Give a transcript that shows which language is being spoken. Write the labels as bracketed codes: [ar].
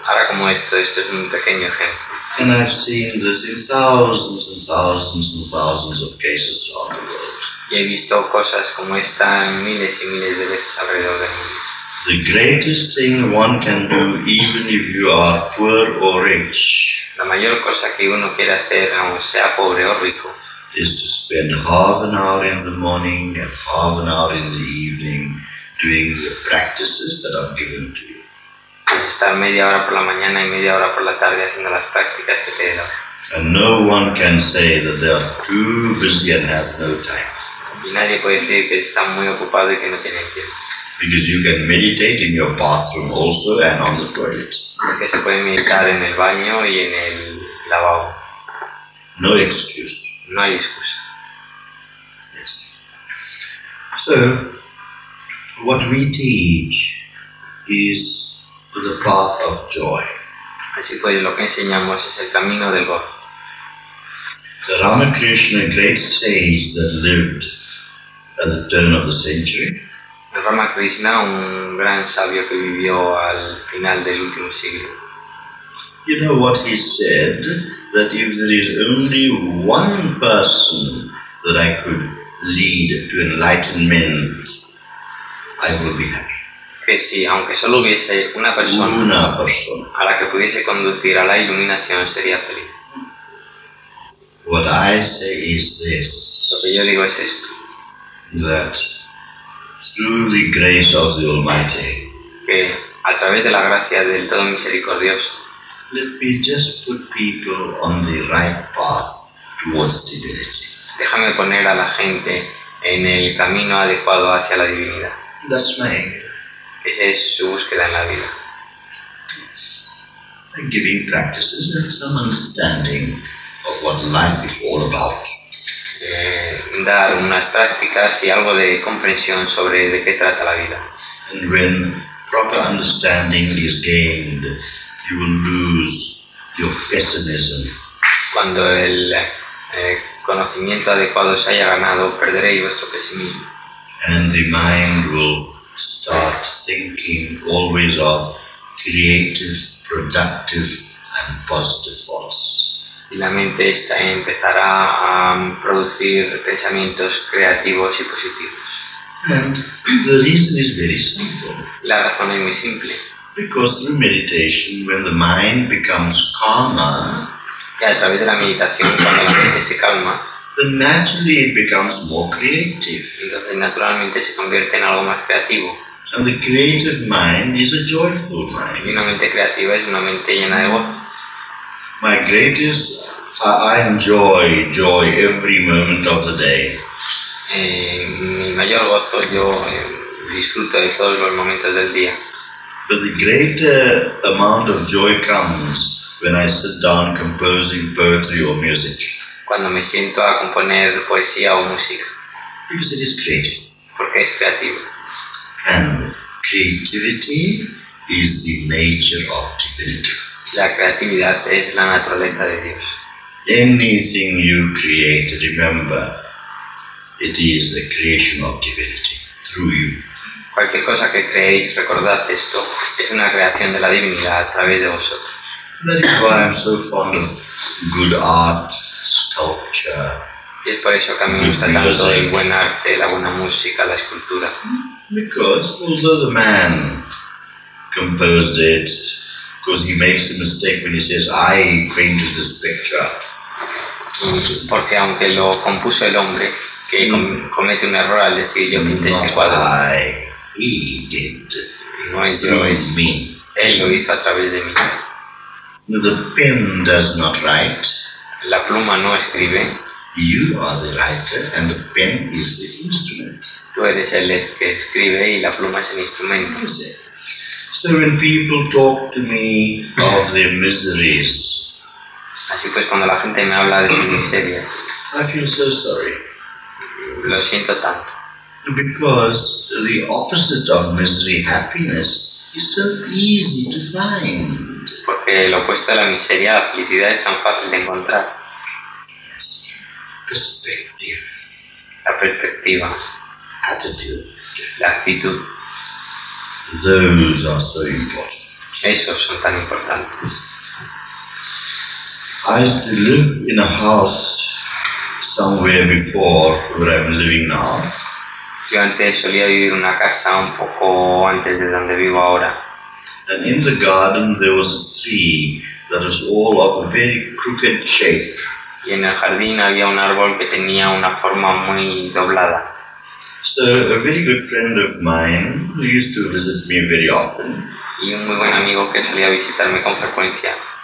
[es] Ahora como esto, esto es un pequeño ejemplo. [en] And I've seen this in thousands and thousands and thousands of cases around the world. [es] Y he visto cosas como esta miles y miles de veces alrededor del mundo. [en] The greatest thing one can do, even if you are poor or rich, [es] la mayor cosa que uno quiere hacer, aunque sea pobre o rico, [en] is to spend half an hour in the morning and half an hour in the evening doing the practices that are given to you. [es] Es estar media hora por la mañana y media hora por la tarde haciendo las prácticas que te dan. [en] And no one can say that they are too busy and have no time. [es] Y nadie puede decir que están muy ocupados y que no tienen tiempo. [en] Because you can meditate in your bathroom also and on the toilet. [es] Porque se puede meditar en el baño y en el lavabo. [en] No excuse. [es] No hay excusa. [en] Yes. So, what we teach is the path of joy. [es] Así pues, lo que enseñamos es el camino del gozo. [en] The Ramakrishna, great sage that lived at the turn of the century. [es] Ramakrishna, un gran sabio que vivió al final del último siglo. [en] You know what he said? That if there is only one person that I could lead to enlightenment, I would be happy. [es] Que si, aunque solo hubiese una persona, una persona a la que pudiese conducir a la iluminación, sería feliz. [en] What I say is this. [es] Lo que yo digo es esto. [en] That through the grace of the Almighty, [es] que a través de la gracia del Todo Misericordioso, [en] let me just put people on the right path towards divinity. [es] Déjame poner a la gente en el camino adecuado hacia la divinidad. [en] That's my aim. [es] Esa es su búsqueda en la vida. [en] And giving practices and some understanding of what life is all about. [es] Dar unas prácticas y algo de comprensión sobre de qué trata la vida. [en] And when proper understanding is gained, you will lose your pessimism. [es] Cuando el conocimiento adecuado se haya ganado, perderéis vuestro pesimismo. [en] And the mind will start thinking always of creative, productive, and positive thoughts. [es] Y la mente esta empezará a producir pensamientos creativos y positivos. [en] And the reason is very simple. [es] La razón es muy simple. [en] Because through meditation, when the mind becomes calmer, [es] Que a través de la meditación, cuando la mente se calma, [en] then naturally it becomes more creative. [es] Entonces naturalmente se convierte en algo más creativo. [en] And the creative mind is a joyful mind. [es] Y una mente creativa es una mente llena de voz. [en] My greatest, I enjoy joy every moment of the day. [es] Mi mayor gozo yo disfruto de todos los momentos del día. [en] But the greater amount of joy comes when I sit down composing poetry or music. [es] Cuando me siento a componer poesía o música. [en] Because it is creative. [es] Porque es creativo. [en] And creativity is the nature of divinity. [es] La creatividad es la naturaleza de Dios. [en] Anything you create, remember, it is the creation of divinity through you. [es] Cualquier cosa que creéis, recordad esto, es una creación de la divinidad a través de vosotros. [en] That is why I'm so fond of good art, sculpture. [es] Y es por eso que a mí me gusta tanto el buen arte, la buena música, la escultura. [en] Because although the man composed it, because he makes the mistake when he says, I painted this picture. [es] Porque aunque lo compuso el hombre, que comete un error al decir yo pinté ese cuadro. [en] I, he did. [es] No es yo, es [en] me. [es] Él lo hizo a través de mí. [en] The pen does not write. [es] La pluma no escribe. [en] You are the writer and the pen is the instrument. [es] Tú eres el que escribe y la pluma es el instrumento. [en] So when people talk to me of their miseries, [es] así pues cuando la gente me habla de sus miserias, [en] I feel so sorry. [es] Lo siento tanto. [en] Because the opposite of misery, happiness, is so easy to find. [es] Porque lo opuesto a la miseria, la felicidad, es tan fácil de encontrar. [en] Yes. Perspective. [es] La perspectiva. [en] Attitude. [es] La actitud. [en] Those are so important. [es] Esos son tan importantes. [en] I used to live in a house somewhere before where I'm living now. [es] Yo antes solía vivir en una casa un poco antes de donde vivo ahora. [en] And in the garden there was a tree that was all of a very crooked shape. [es] Y en el jardín había un árbol que tenía una forma muy doblada. [en] So a very good friend of mine who used to visit me very often. [es] Y un muy buen amigo que solía visitarme con frecuencia.